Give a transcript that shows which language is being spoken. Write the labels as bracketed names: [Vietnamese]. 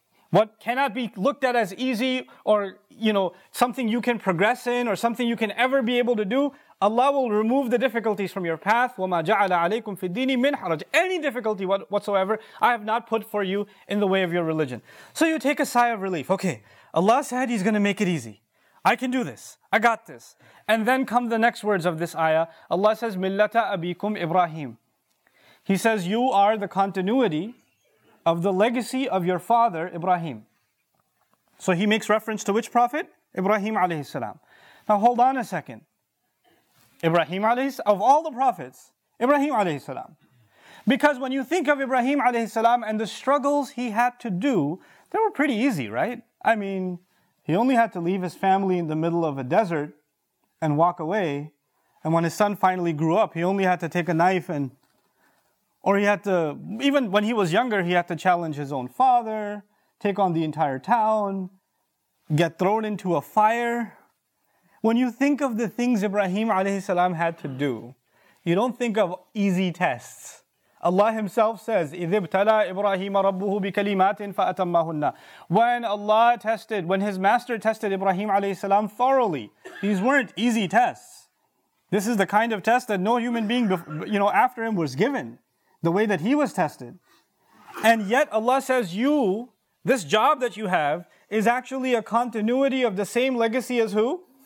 [English] What cannot be looked at as easy, or you know, something you can progress in, or something you can ever be able to do, Allah will remove the difficulties from your path. [Arabic] وَمَا جَعَلَ عَلَيْكُمْ فِي الدِّينِ مِنْ حَرَجٍ. [English] Any difficulty whatsoever, I have not put for you in the way of your religion. So you take a sigh of relief. Okay, Allah said He's going to make it easy. I can do this. I got this. And then come the next words of this ayah. Allah says, [Arabic] مِلَّةَ أَبِيكُمْ إِبْرَاهِيمُ. [English] He says, you are the continuity of the legacy of your father, Ibrahim. So He makes reference to which prophet? Ibrahim alayhi salam. Now hold on a second. Ibrahim alayhi salam, of all the prophets, Ibrahim alayhi salam. Because when you think of Ibrahim alayhi salam and the struggles he had to do, they were pretty easy, right? I mean, he only had to leave his family in the middle of a desert and walk away. And when his son finally grew up, he only had to take a knife and... Or he had to, even when he was younger, he had to challenge his own father, take on the entire town, get thrown into a fire. When you think of the things Ibrahim alayhi salam had to do, you don't think of easy tests, Allah Himself says, [Arabic] إِذِ ابْتَلَى إِبْرَاهِيمَ رَبُّهُ بِكَلِمَاتٍ فَأَتَمَّهُنَّ. [English] When Allah tested, when His Master tested Ibrahim alayhi salam thoroughly, these weren't easy tests. This is the kind of test that no human being after him was given, the way that he was tested. And yet Allah says, you, this job that you have, is actually a continuity of the same legacy as who?